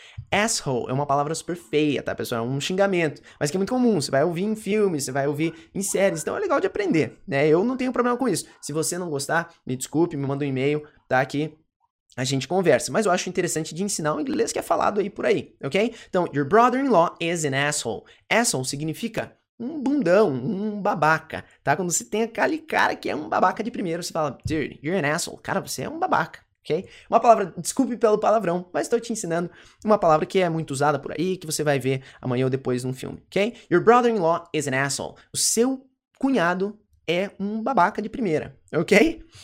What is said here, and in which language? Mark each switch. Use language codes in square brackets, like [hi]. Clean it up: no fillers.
[pt] Asshole é uma palavra super feia, tá, pessoal? É um xingamento, mas que é muito comum. Você vai ouvir em filmes, você vai ouvir em séries. Então é legal de aprender, né? Eu não tenho problema com isso. Se você não gostar, me desculpe, me manda um e-mail, tá aqui. A gente conversa, mas eu acho interessante de ensinar o inglês que é falado aí por aí, ok? Então, [en] your brother-in-law is an asshole. [pt] Asshole significa um bundão, um babaca, tá? Quando você tem aquele cara que é um babaca de primeiro, você fala, [en] dude, you're an asshole. [pt] Cara, você é um babaca, ok? Uma palavra, desculpe pelo palavrão, mas estou te ensinando uma palavra que é muito usada por aí, que você vai ver amanhã ou depois num filme, ok? [en] Your brother-in-law is an asshole. [pt] O seu cunhado é um babaca de primeira, ok?